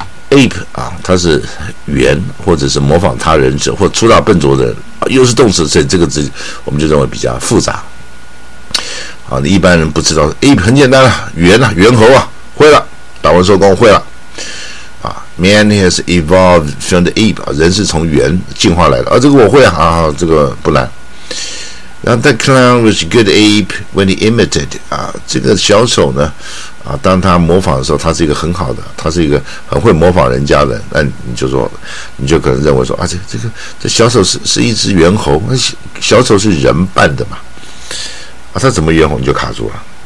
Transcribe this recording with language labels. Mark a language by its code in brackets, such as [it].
[zh] Ape 啊，它是猿或者是模仿他人者或粗大笨拙的人、啊，又是动词，所以这个字我们就认为比较复杂。啊，你一般人不知道 Ape 很简单了、啊，猿啊，猿猴啊，会了，打完收工会了。啊 ， [en] Man has evolved from the ape [zh] 啊，人是从猿进化来的啊，这个我会 啊，这个不难。 [en] And the clown was a good ape when he imitated. [zh] 啊，这个小丑呢，啊，当他模仿的时候，他是一个很好的，他是一个很会模仿人家的。那你就说，你就可能认为说，啊，这小丑是一只猿猴，那小丑是人扮的嘛？啊，他怎么猿猴你就卡住了？